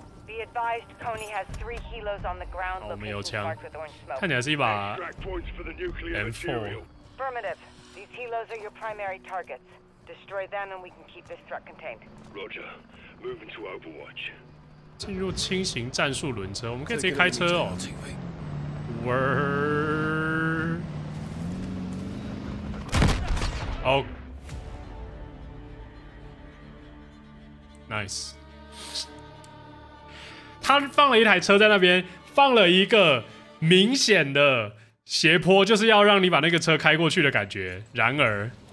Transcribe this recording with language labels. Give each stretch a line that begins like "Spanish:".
English: Be advised, Kony has three helos on the ground.
Chinese: 我们有枪，看起来是一把 M4.
English: Affirmative. These helos are your primary targets. Destroy them, and we can keep this threat contained. Roger. Move into Overwatch.
Chinese: 进入轻型战术轮车，我们可以直接开车哦。Nice， 他放了一台车在那边，放了一个明显的斜坡，就是要让你把那个车开过去的感觉。然而。